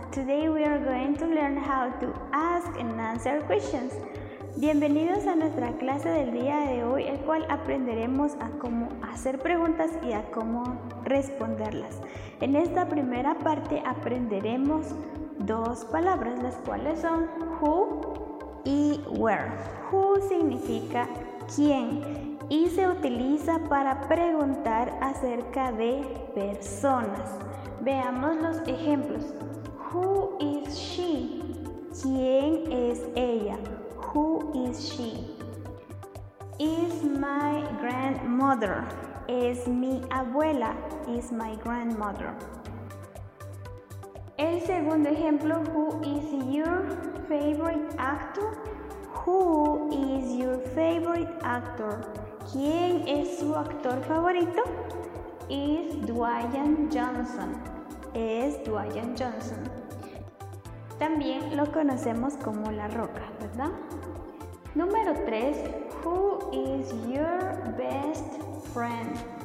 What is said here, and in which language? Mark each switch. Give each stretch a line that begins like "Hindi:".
English: Today we are going to learn how to ask and answer questions.
Spanish: Bienvenidos a nuestra clase del día de hoy, el cual aprenderemos a cómo hacer preguntas y a cómo responderlas. En esta primera parte aprenderemos dos palabras, las cuales son who y where. Who significa quién y se utiliza para preguntar acerca de personas. Veamos los ejemplos.
English: Who is she?
Spanish: ¿Quién es ella?
English: Who is she? Is my grandmother?
Spanish: Es mi abuela.
English: Is my grandmother.
Spanish: El segundo ejemplo.
English: Who is your favorite actor? Who is your favorite actor?
Spanish: ¿Quién es su actor favorito?
English: Is Dwayne Johnson.
Spanish: Es Dwayne Johnson. También lo conocemos como La Roca, ¿verdad? Número 3.
English: Who is your best friend?